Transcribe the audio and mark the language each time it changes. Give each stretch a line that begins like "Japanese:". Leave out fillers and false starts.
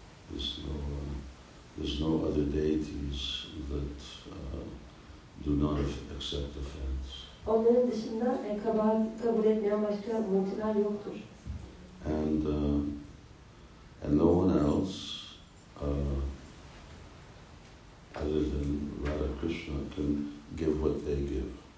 English: That's, there's no other deities that do not accept offense.
Turkish: Onların dışında kabahat kabul etmeyen başka mutlular yoktur.
English: And no one else, other than Radha Krishna, can give what they give.